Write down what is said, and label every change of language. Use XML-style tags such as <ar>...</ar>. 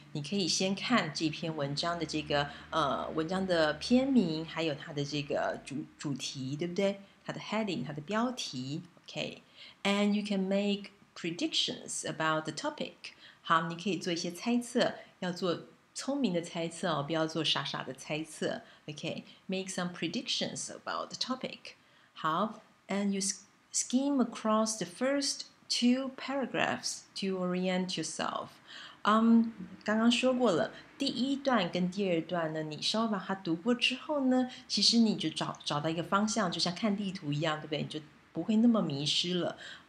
<zh>你可以先看这篇文章的这个文章的篇名，还有它的这个主题，对不对？它的 heading， 它的标题</zh> <en>，OK。And you can make predictions about the topic。</en> <zh>好，你可以做一些猜测，要做。聪明的猜测哦，不要做傻傻的猜测。</zh> <en>Okay, make some predictions about the topic. 好 ，and you skim across the first two paragraphs to orient yourself.</en> <zh>刚刚说过了，第一段跟第二段呢，你稍微把它读过之后呢，其实你就找到一个方向，就像看地图一样，对不对？你就不会那么迷失了。</zh>